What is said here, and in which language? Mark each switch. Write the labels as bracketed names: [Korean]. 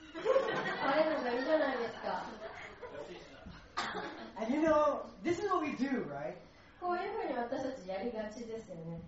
[Japanese] あれなんかいいじゃないですか。 [English] And you know, this is what we do, right? [Japanese] こういうふうに私たちやりがちですよね。